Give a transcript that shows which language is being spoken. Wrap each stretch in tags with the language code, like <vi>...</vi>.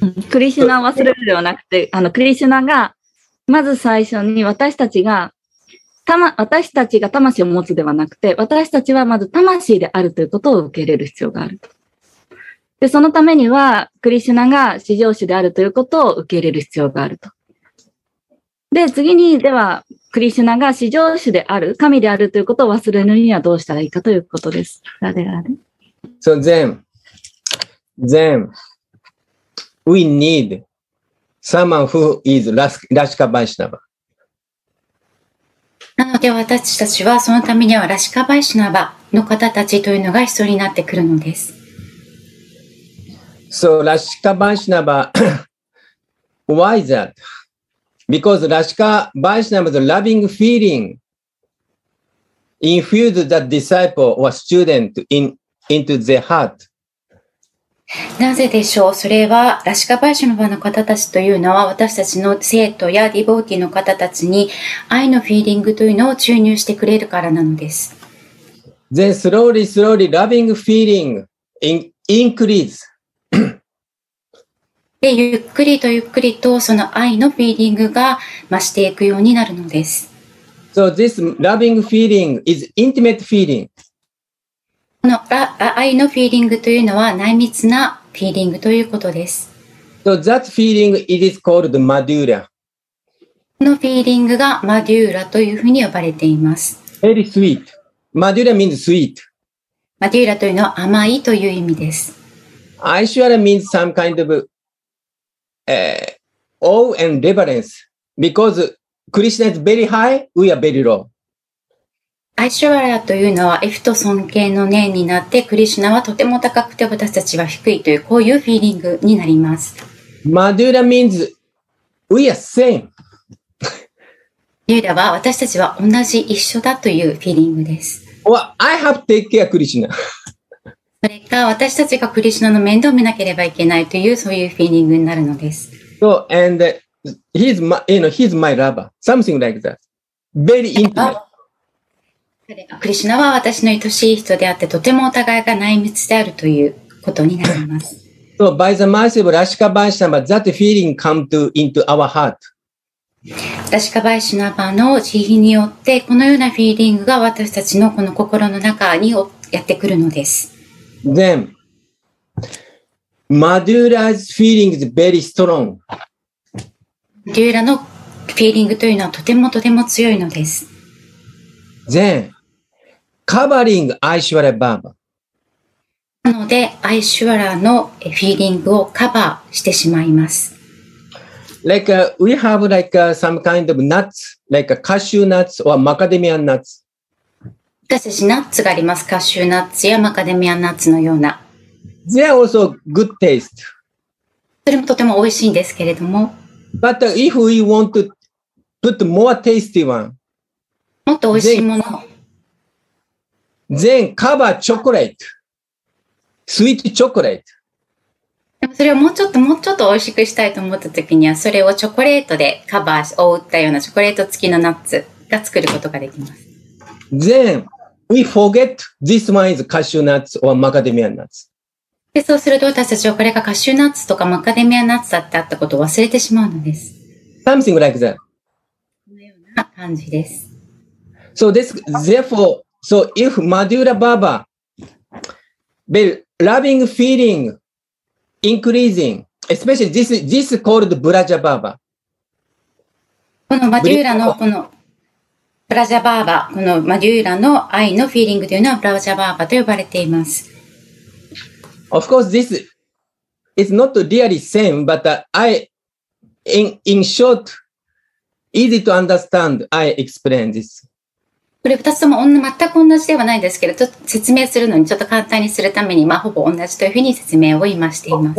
<ja>クリシュナを忘れるではなくて、クリシュナがまず最初に私たちが魂を持つではなくて、私たちはまず魂であるということを受け入れる必要があると。で、そのためにはクリシュナが至上主であるということを受け入れる必要があると。で、次にではクリシュナが至上主である、神であるということを忘れるにはどうしたらいいかということです。あれあれ。</ja> <en>So then, we need someone who is Rashika Vaishnava.</en> <ja>なので私たちはそのためにはラシカバイシナバの方たちというのが必要になってくるのです。</ja> <en>So Rashika Vaishnava, why is that? Because Rashika Vaishnava's loving feeling infused the disciple or student into their heart.</en> <ja>なぜでしょう。それはラシカ・バイシナバの方たちというのは私たちの生徒やディボーティの方たちに愛のフィーリングというのを注入してくれるからなのです。</ja> <en>Then slowly, slowly, loving feeling increase.</en> <ja>でゆっくりとゆっくりとその愛のフィーリングが増していくようになるのです。</ja> <en>So this loving feeling is intimate feeling.</en> <ja>この愛のフィーリングというのは内密なフィーリングということです。</ja> <en>So that feeling it is called madhura.</en> <ja>このフィーリングがマデューラというふうに呼ばれています。</ja> <en>Very sweet. Madhura means sweet.</en> <ja>マデューラというのは甘いという意味です。</ja> <en>Aishwarya means some kind ofAwe and reverence, because Krishna is very high, we are very low.</en> <ja>アイシュワラというのは、F と尊敬の念になって、クリシュナはとても高くて私たちは低いという、こういうフィーリングになります。</ja> <en>マドゥーラ means we are same.</en> <ja>ユーラは私たちは同じ一緒だというフィーリングです。</ja> <en>Well, I have to take care クリシュナ。</en> <ja>それか、私たちがクリシュナの面倒を見なければいけないという、そういうフィーリングになるのです。</ja> <en>So, and he's my, you know, he's my lover. Something like that. Very intimate.</en> <ja>クリシュナは私の愛しい人であって、とてもお互いが内密であるということになります。</ja> <en>So, by the mercy of Rashika Vaishnava, that feeling comes into our heart.</en> <ja>Rashika Vaishnava の慈悲によって、このようなフィーリングが私たちのこの心の中にやってくるのです。</ja> <en>Then, Madhura's feeling is very strong.</en> <ja>Madhura のフィーリングというのはとてもとても強いのです。</ja> <en>Then, covering Aishwarya Baba.</en> <ja>なので、Aishwarya のフィーリングをカバーしてしまいます。</ja> <en>Like, we have like, some kind of nuts, like a cashew nuts or macadamia nuts.</en> <ja>私たちナッツがあります。カシューナッツやマカデミアナッツのような。</ja> <en>They are also good taste.</en> <ja>それもとても美味しいんですけれども。</ja> <en>But if we want to put more tasty one,</en> <ja>もっと美味しいもの。</ja> <en>Then cover chocolate. Sweet chocolate.</en> <ja>でもそれをもうちょっと美味しくしたいと思った時には、それをチョコレートでカバーを覆ったようなチョコレート付きのナッツが作ることができます。</ja> <en>Then we forget this one is cashew nuts or macadamia nuts.</en> <ja>で、そうすると私たちはこれがカシューナッツとかマカデミアナッツだってあったことを忘れてしまうのです。</ja> <en>Something like that.</en> <ja>このような感じです。</ja> <en>So this, therefore, so if Madhura Baba, the loving feeling increasing, especially this is called Braja Baba.</en> <ja>この Madhura のこの Braja Baba, この Madhura の愛のフィーリングというのは Braja Baba と呼ばれています。</ja> <en>Of course, this is not really same, but in short, easy to understand, I explain this.</en> <ja>これ二つとも全く同じではないですけど、ちょっと説明するのにちょっと簡単にするために、まあほぼ同じというふうに説明を今しています。</ja>